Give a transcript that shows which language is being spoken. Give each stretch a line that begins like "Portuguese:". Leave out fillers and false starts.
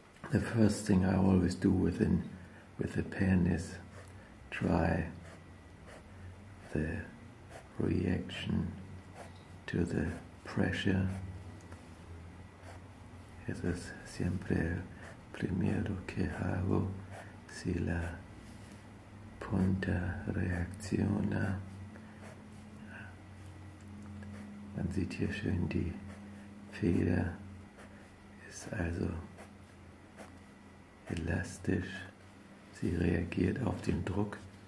English: The first thing I always do with a pen is try the reaction to the pressure.
Spanish: Eso es siempre el primero que hago, si la punta reacciona.
German: Man sieht hier schön die Feder, ist also elastisch, sie reagiert auf den Druck.